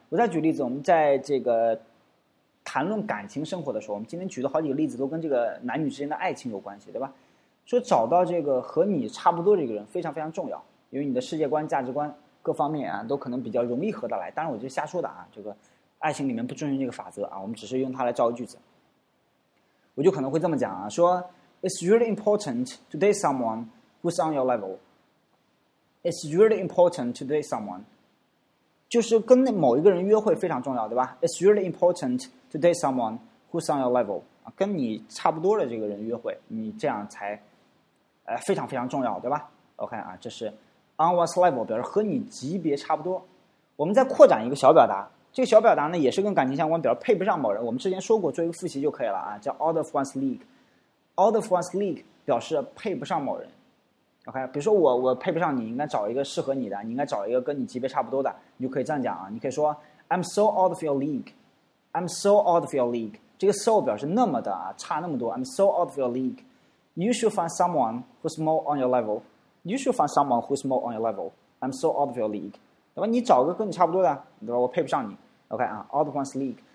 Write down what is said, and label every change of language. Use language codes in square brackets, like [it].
[zh] 我再举例子，我们在这个谈论感情生活的时候，我们今天举的好几个例子都跟这个男女之间的爱情有关系对吧，说找到这个和你差不多的一个人非常非常重要，因为你的世界观价值观各方面啊都可能比较容易合得来，当然我就瞎说的啊，这个爱情里面不遵循这个法则啊，我们只是用它来造个句子，我就可能会这么讲啊，说 [en] It's really important to date someone who's on your level. It's really important to date someone. [zh] 就是跟某一个人约会非常重要，对吧？ [en] It's really important to date someone who's on your level. [zh] 跟你差不多的这个人约会，你这样才非常非常重要，对吧？ OK 啊，这是 [en] on one's level， [zh] 表示和你级别差不多。我们再扩展一个小表达，这个小表达呢也是跟感情相关，表示配不上某人。我们之前说过，做一个复习就可以了啊，叫 [en] out of one's league。 [zh] Out of one's league 表示配不上某人， OK， 比如说我配不上你，应该找一个适合你的，你应该找一个跟你级别差不多的，你就可以这样讲啊，你可以说 [en] I'm so out of your league， I'm so out of your league， [zh] 这个 so 表示那么的啊，差那么多， I'm so out of your league， You should find someone who's more on your level， You should find someone who's more on your level， I'm so out of your league， 对吧，你找个跟你差不多的对吧，我配不上你， OK 啊， [en] out of one's league。